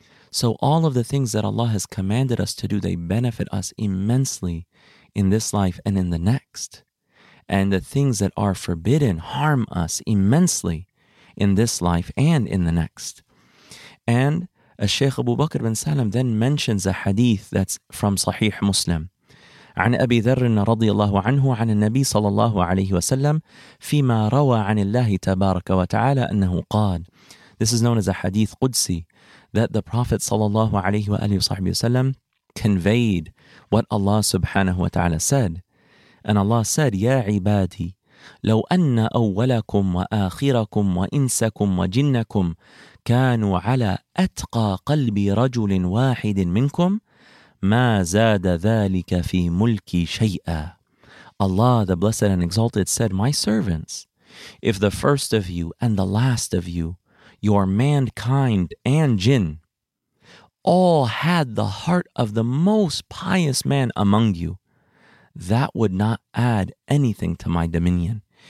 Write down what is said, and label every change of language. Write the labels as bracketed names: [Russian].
[English] So all of the things that Allah has commanded us to do, they benefit us immensely in this life and in the next. And the things that are forbidden harm us immensely in this life and in the next. And as Shaykh Abu Bakr bin Salam then mentions a hadith that's from Sahih Muslim. [Arabic] عن أبي ذر رضي الله عنه عن النبي صلى الله عليه وسلم فيما روى عن الله تبارك وتعالى أنه قال. [English] This is known as a hadith Qudsi, that the Prophet صلى الله عليه وسلم conveyed what Allah subhanahu wa ta'ala said. And Allah said, [Arabic] يا عبادي لو أن أولكم وآخركم وإنسكم وجنكم كانوا على أتقى قلب رجل واحد منكم مَا زَادَ ذَٰلِكَ فِي مُلْكِ شَيْئًا. [English] Allah, the Blessed and Exalted, said, my servants, if the first of you and the last of you, your mankind and jinn, all had the heart of the most pious man among you, that would not add anything to my dominion.